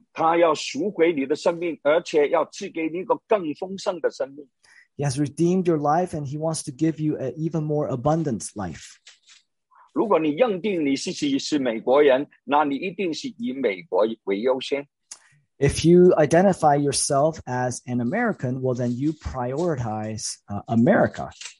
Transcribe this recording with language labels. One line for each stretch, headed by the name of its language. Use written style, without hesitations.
Chinese: 他要赎回你的生命, 而且要赐给你一个更丰盛的生命。
English: He has redeemed your life, and he wants to give you an even more abundant life.
Chinese: 如果你认定你是美国人, 那你一定是以美国为优先。
English: If you identify yourself as an American, well, then you prioritize America.